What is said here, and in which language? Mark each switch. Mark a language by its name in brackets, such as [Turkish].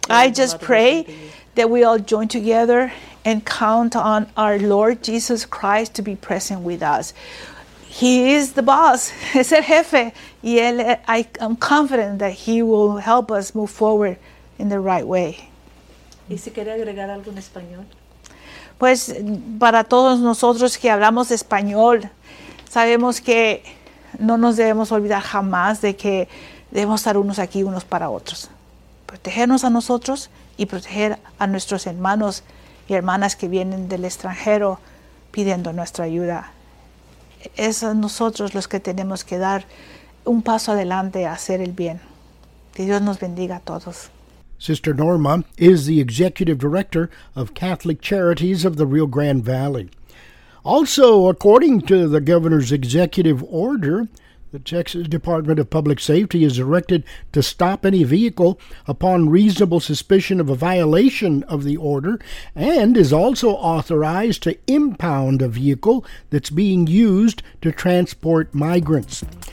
[English] I just pray that we all join together and count on our Lord Jesus Christ to be present with us. He is the boss. [Spanish] Es el jefe. Y él, [English] I am confident that he will help us move forward in the right way. [Spanish] ¿Y si quiere agregar algo en español? Pues, para todos nosotros que hablamos español, sabemos que... No nos debemos olvidar jamás de que debemos estar unos aquí, unos para otros. Protegernos a nosotros y proteger a nuestros hermanos y hermanas que vienen del extranjero pidiendo nuestra ayuda. Es a nosotros los que tenemos que dar un paso adelante a hacer el bien. Que Dios nos bendiga a todos. [English] Sister Norma is the Executive Director of Catholic Charities of the Rio Grande Valley. Also, according to the governor's executive order, the Texas Department of Public Safety is directed to stop any vehicle upon reasonable suspicion of a violation of the order and is also authorized to impound a vehicle that's being used to transport migrants.